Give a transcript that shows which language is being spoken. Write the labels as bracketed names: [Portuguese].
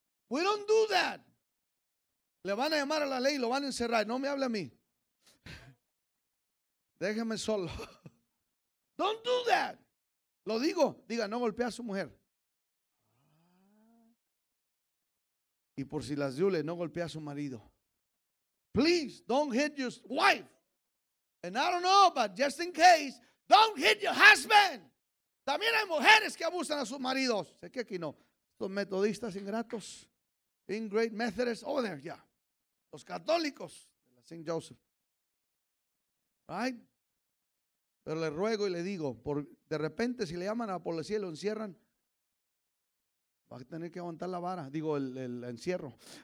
[English] We don't do that. [Spanish] Le van a llamar a la ley y lo van a encerrar. No me hable a mí. Déjeme solo. [English] Don't do that. [Spanish] Lo digo. Diga, no golpea a su mujer. Y por si las dule, no golpea a su marido. [English] Please, don't hit your wife. And I don't know, but just in case, don't hit your husband. [Spanish] También hay mujeres que abusan a sus maridos. Sé que aquí no. Estos metodistas ingratos. [English] In great Methodist, over there, yeah. [Spanish] Los católicos, St. Joseph. Right? Pero le ruego y le digo, por, de repente si le llaman a la policía y lo encierran, va a tener que aguantar la vara, digo, el encierro.